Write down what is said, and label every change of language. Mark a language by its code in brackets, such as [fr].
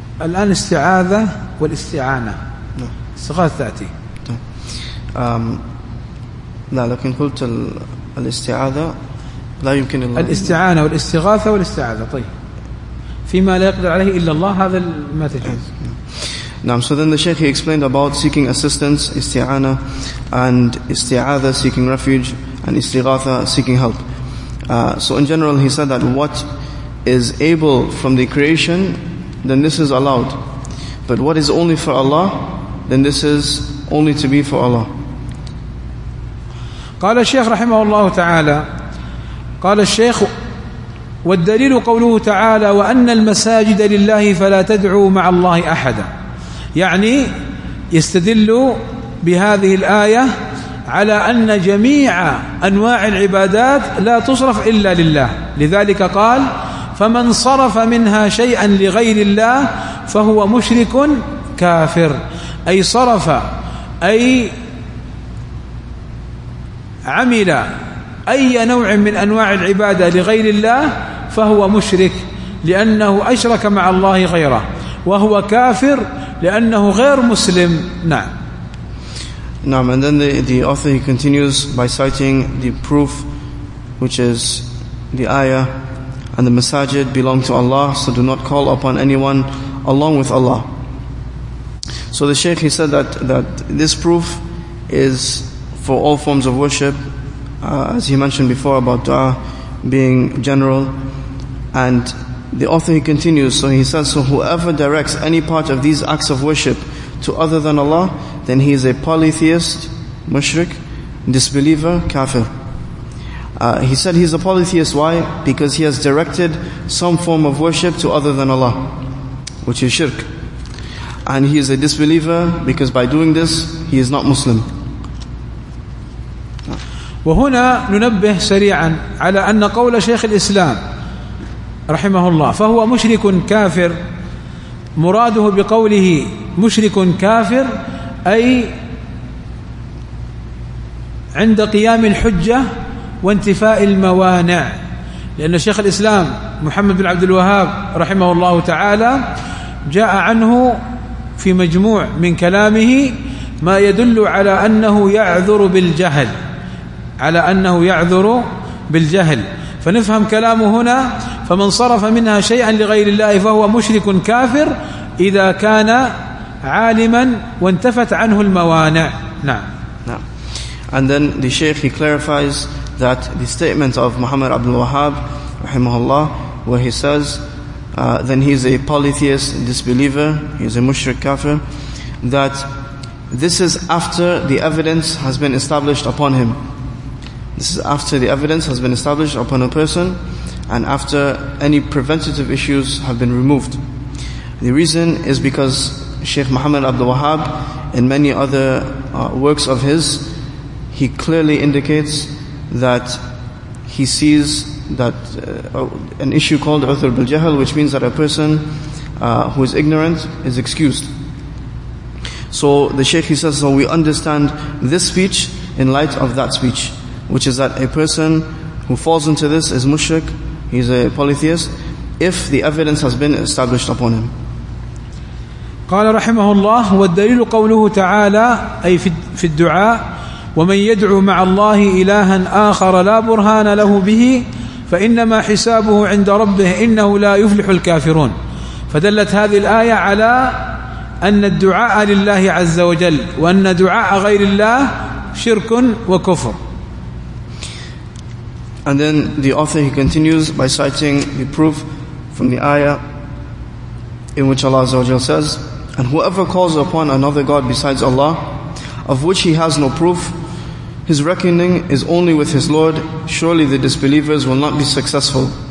[ar] الآن استعاذة والاستعانة استغاثة تأتي. لا لكن قلت الاستعاذة لا يمكن الله الاستعانة والاستغاثة والاستعاذة طيب فيما لا يقدر عليه إلا الله هذا ما تجوز. [en] Now, so then the Shaykh, he explained about seeking assistance, isti'ana, and isti'adha, seeking refuge, and istighatha, seeking help. So in general, he said that what is able from the creation, then this is allowed. But what is only for Allah, then this is only to be for Allah. [ar] قال الشيخ رحمه الله تعالى قال الشيخ والدليل قوله تعالى وأن المساجد لله فلا تدعوا مع الله أحدا يعني يستدل بهذه الآية على أن جميع أنواع العبادات لا تصرف إلا لله لذلك قال فمن صرف منها شيئا لغير الله فهو مشرك كافر أي صرف أي عمل أي نوع من أنواع العبادة لغير الله فهو مشرك لأنه أشرك مع الله غيره وهو كافر لأنه غير مسلم نعم. [en] And then the author he continues by citing the proof, which is the ayah, and the masajid belong to Allah, so do not call upon anyone along with Allah. So the Shaykh he said that this proof is for all forms of worship, as he mentioned before about du'a being general, and the author he continues, so he says, so whoever directs any part of these acts of worship to other than Allah, then he is a polytheist, mushrik, disbeliever, kafir. He said he's a polytheist, why? Because he has directed some form of worship to other than Allah, which is shirk. And he is a disbeliever because by doing this, he is not Muslim. [ar] وهنا ننبه سريعا على أن قول شيخ الإسلام رحمه الله فهو مشرك كافر مراده بقوله مشرك كافر أي عند قيام الحجة وانتفاء الموانع لأن شيخ الإسلام محمد بن عبد الوهاب رحمه الله تعالى جاء عنه في مجموع من كلامه ما يدل على أنه يعذر بالجهل على أنه يعذر بالجهل فنفهم كلامه هنا فمن صرف منها شيئا لغير الله فهو مشرك كافر إذا كان عالما وانتفت عنه الموانع نعم. [en] And then the Shaykh he clarifies that the statement of Muhammad Abdul Wahhab rahimahullah where he says then he's a polytheist disbeliever he's a mushrik kafir that this is after the evidence has been established upon him. This is after the evidence has been established upon a person and after any preventative issues have been removed. The reason is because Shaykh Muhammad Abdul Wahhab in many other works of his, he clearly indicates that he sees that an issue called Uthur Bil-Jahl, which means that a person who is ignorant is excused. So the Shaykh he says, so we understand this speech in light of that speech. Which is that a person who falls into this is mushrik, he's a polytheist, if the evidence has been established upon him. [ar] قال رحمه الله والدليل قوله تعالى أي في الدعاء ومن يدعو مع الله إلها آخر لا برهان له به فإنما حسابه عند ربه إنه لا يفلح الكافرون فدلت هذه الآية على أن الدعاء لله عز وجل وأن دعاء غير الله شرك وكفر. [en] And then the author, he continues by citing the proof from the ayah in which Allah Azza wa Jalla says, and whoever calls upon another god besides Allah, of which he has no proof, his reckoning is only with his Lord, surely the disbelievers will not be successful.